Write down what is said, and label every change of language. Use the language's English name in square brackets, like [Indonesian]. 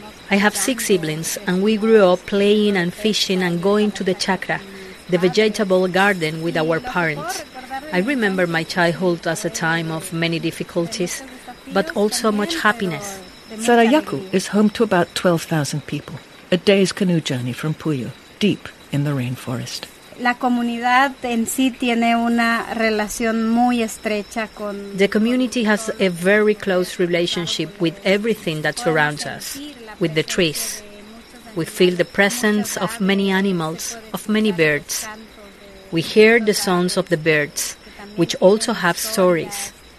[English] I have six siblings and we grew up playing and fishing and going to the chacra, the vegetable garden with our parents. I remember my childhood as a time of many difficulties, but also much happiness. Sarayacu is home to about 12,000 people, a day's canoe journey from Puyo, deep in the rainforest. [Spanish] La comunidad en sí tiene una relación muy estrecha con... [English] The community has a very close relationship with everything that surrounds us, with the trees. We feel the presence of many animals, of many birds. We hear the songs of the birds, which also have stories.